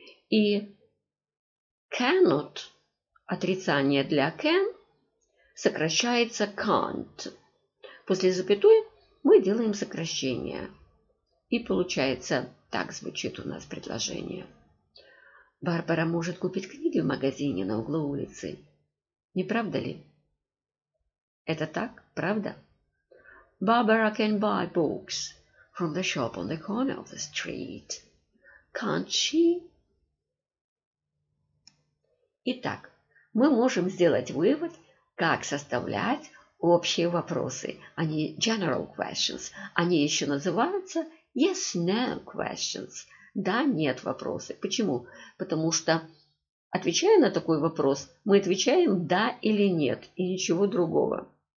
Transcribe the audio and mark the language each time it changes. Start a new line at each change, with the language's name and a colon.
Russian: И cannot, отрицание для can, сокращается can't. После запятой мы делаем сокращение. И получается, так звучит у нас предложение. Барбара может купить книги в магазине на углу улицы. Не правда ли? Это так? Правда?
English: Barbara can buy books from the shop on the corner of the street. Can't she?
Russian: Итак, мы можем сделать вывод, как составлять общие вопросы. Они general questions. Они еще называются yes, no questions. Да, нет вопросы. Почему? Потому что, отвечая на такой вопрос, мы отвечаем да или нет и ничего другого.